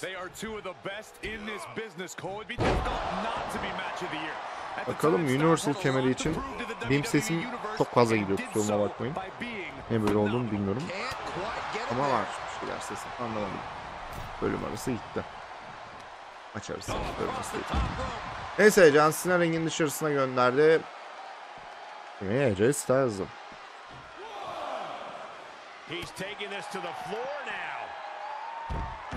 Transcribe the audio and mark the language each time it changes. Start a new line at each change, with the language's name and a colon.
English: They are two of the best in this business. Cole, it'd be difficult not to be match of the year.
Turkish: Bakalım Universal kemeri için benim sesim çok fazla gidiyor, kusuruma bakmayın. Ne böyle olduğunu bilmiyorum. Ama var bir şeyler sesim. Anlamadım. Bölüm arası gitti. Maç arası. Bölüm arası gitti. Neyse, John Cena ringin dışarısına gönderdi. Kimi? AJ Styles'ı.
English: He's taking this to the floor now.